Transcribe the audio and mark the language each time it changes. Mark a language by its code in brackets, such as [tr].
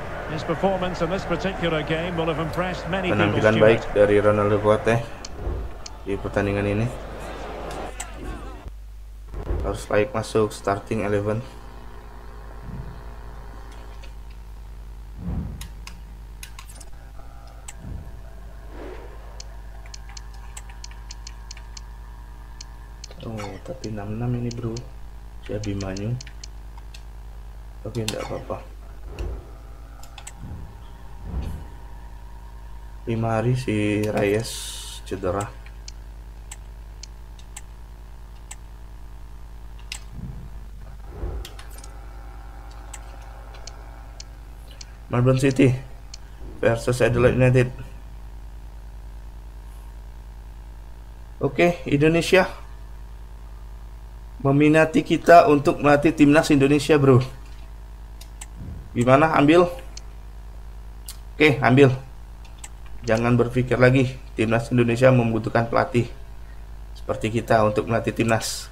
[en] His performance in this particular game will have impressed many people. [id] Penampilan baik dari Ronaldo Kuateh di pertandingan ini. Harus layak masuk starting 11. Oh, tapi 66 ini bro. Si Abimanyu. Tapi enggak apa-apa. 5 hari si Reyes cedera. Melbourne City versus Adelaide United. Oke, Indonesia meminati kita untuk melatih timnas Indonesia, bro. Gimana? Ambil? Oke, ambil. Jangan berpikir lagi timnas Indonesia membutuhkan pelatih seperti kita untuk melatih timnas.